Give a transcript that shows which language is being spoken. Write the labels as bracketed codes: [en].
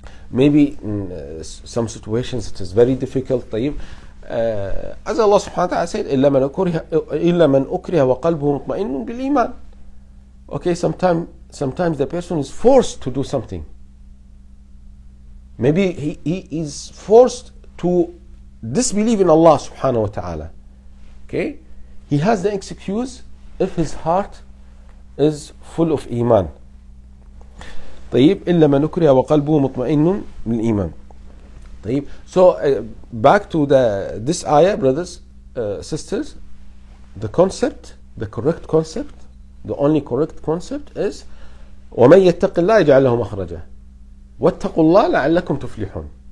[en] Maybe in some situations it is very difficult. [ar] طيب [en] as Allah subhanahu wa ta'ala said, [ar] إِلَّا مَنْ أُكْرِهَ وَقَلْبُهُ مُطْمَئِنٌ بِالْإِيمَانِ. [en] Okay, sometimes the person is forced to do something. Maybe he is forced to disbelieve in Allah subhanahu wa ta'ala. Okay, he has the excuse if his heart is full of iman. [ar] طيب إلا من أكره وقلبه مطمئن بالإيمان. [en] طيب so back to this ayah, brothers, sisters, the concept, the correct concept, the only correct concept is [ar] ومن يتق الله يجعل له مخرجا واتقوا الله لعلكم تفلحون.